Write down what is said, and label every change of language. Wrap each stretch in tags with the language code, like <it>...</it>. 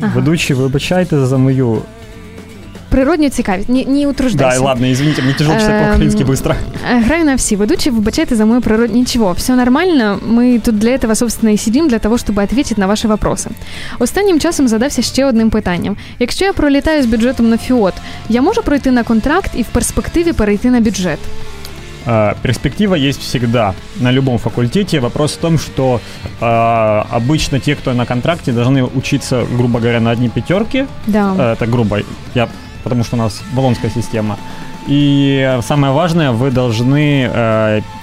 <uk>Ведучий, вибачайте за мою... Природню цікавість.</uk> <ru>Не утруждайся. Да, ладно, извините, мне тяжело читать по-украински быстро.</ru> <uk>Граю на все. Ведучий, вибачайте за мою природню.</uk> <ru>Ничего, все нормально. Мы тут для этого, собственно, и сидим, для того, чтобы ответить на ваши вопросы.</ru> <uk>Останнім часом задався ще одним питанням. Якщо я пролітаю з бюджетом на ФІОТ, я можу пройти на контракт і в перспективі перейти на бюджет?</uk> <ru>Перспектива есть всегда на любом факультете. Вопрос в том, что обычно те, кто на контракте, должны учиться, грубо говоря, на одни пятерки. Да. Это грубо. Потому что у нас болонская система. И самое важное, вы должны...</ru>